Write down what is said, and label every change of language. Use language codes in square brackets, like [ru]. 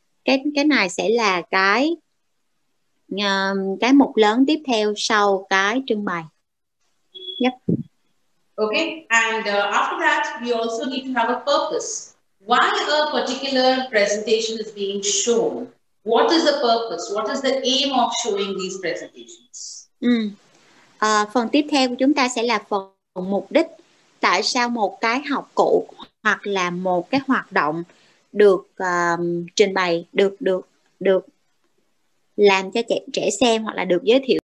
[vi] Cái này sẽ là cái mục lớn tiếp theo sau cái trưng bày. [en] Yep. Okay, and after that, we also need to have a purpose. Why a particular presentation is being shown? What is the purpose? What is the aim of showing these presentations? [vi] Phần tiếp theo của chúng ta sẽ là phần mục đích. Tại sao một cái học cụ hoặc là một cái hoạt động được trình bày, được làm cho trẻ trẻ xem hoặc là được giới thiệu?